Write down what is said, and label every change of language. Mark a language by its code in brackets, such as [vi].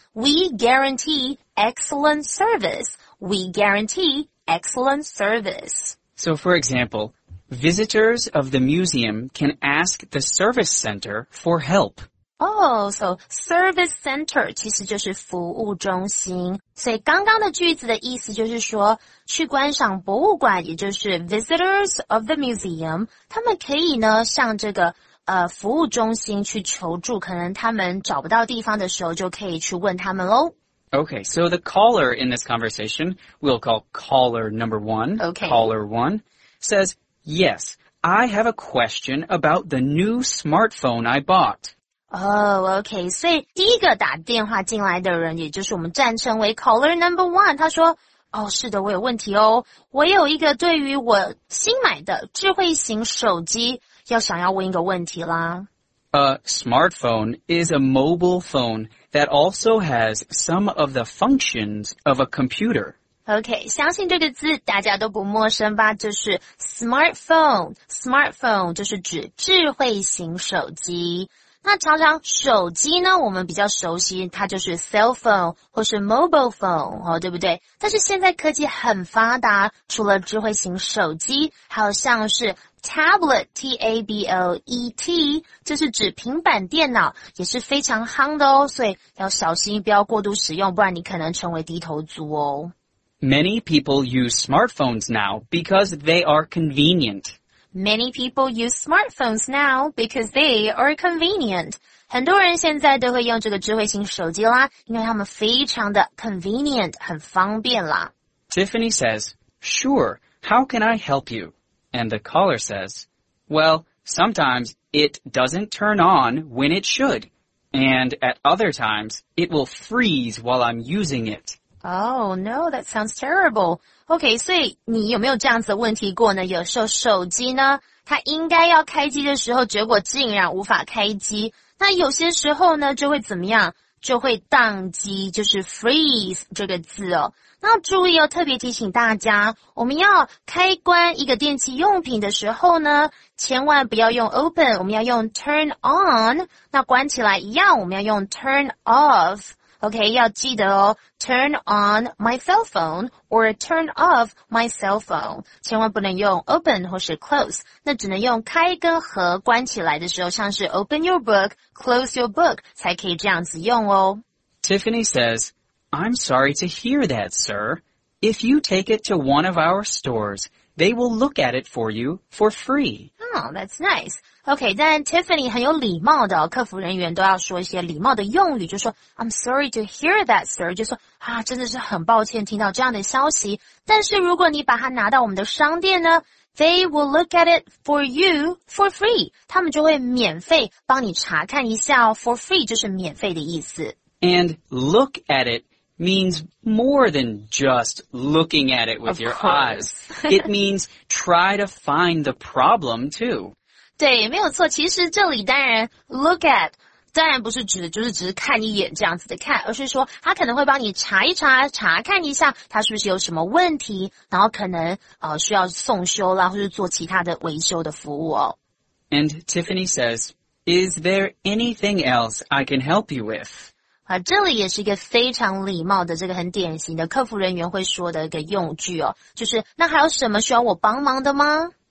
[en] We guarantee excellent service. We guarantee excellent service. So for example,Visitors of the museum can ask the service center for help. Oh, so service center [zh] 其实就是服务中心。所以刚刚的句子的意思就是说去观赏博物馆也就是 [en] visitors of the museum, [zh] 他们可以呢向这个服务中心去求助可能他们找不到地方的时候就可以去问他们咯。 [en] Okay, so the caller in this conversation, we'll call caller number one, okay. caller one, says,Yes, I have a question about the new smartphone I bought. Oh, okay. [zh] 所以第一个打电话进来的人也就是我们暂称为 [en] caller number one. [zh] 他说哦是的我有问题哦。我有一个对于我新买的智慧型手机要想要问一个问题啦。 [en] A smartphone is a mobile phone that also has some of the functions of a computer. [zh] OK, 相信这个字大家都不陌生吧就是 smartphone, smartphone 就是指智慧型手机。那常常手机呢我们比较熟悉它就是 cell phone 或是 mobile phone,、哦、对不对但是现在科技很发达除了智慧型手机还有像是 tablet, T-A-B-L-E-T, 就是指平板电脑也是非常夯的哦所以要小心不要过度使用不然你可能成为低头族哦。 [en] Many people use smartphones now because they are convenient. Many people use smartphones now because they are convenient. [zh] 很多人现在都会用这个智慧型手机啦，因为他们非常的 convenient, 很方便啦。 [en] Tiffany says, Sure, how can I help you? And the caller says, Well, sometimes it doesn't turn on when it should. And at other times, it will freeze while I'm using it. Oh, no, that sounds terrible. [zh] Okay, 所以你有没有这样子的问题过呢？有时候手机呢，它应该要开机的时候，结果竟然无法开机。那有些时候呢，就会怎么样？就会宕机，就是 freeze 这个字哦。那注意哦，特别提醒大家，我们要开关一个电器用品的时候呢，千万不要用 open, 我们要用 turn on, 那关起来一样，我们要用 turn off. OK, 要记得哦 [en] turn on my cell phone [zh] or turn off my cell phone. 千万不能用 open 或是 close, 那只能用开跟合关起来的时候像是 [en] open your book, close your book, [zh] 才可以这样子用哦。 [en] Tiffany says, I'm sorry to hear that, sir. If you take it to one of our stores, they will look at it for you for free. Oh, that's nice. [zh] Okay, 但 Tiffany 很有礼貌的、哦、客服人员都要说一些礼貌的用语就说 [en] I'm sorry to hear that, sir. [zh] 就说啊，真的是很抱歉听到这样的消息。但是如果你把它拿到我们的商店呢 [en] they will look at it for you for free. [zh] 他们就会免费帮你查看一下、哦、for free 就是免费的意思。 [en] And look at it means more than just looking at it with your eyes. It means try to find the problem, too. [zh] 对，没有错。其实这里当然 look at 当然不是指的就是只是看一眼这样子的看，而是说他可能会帮你查一查，查看一下他是不是有什么问题，然后可能需要送修啦，或是做其他的维修的服务哦。 [en] And Tiffany says, "Is there anything else I can help you with?" [zh] 啊，这里也是一个非常礼貌的这个很典型的客服人员会说的一个用句哦，就是那还有什么需要我帮忙的吗？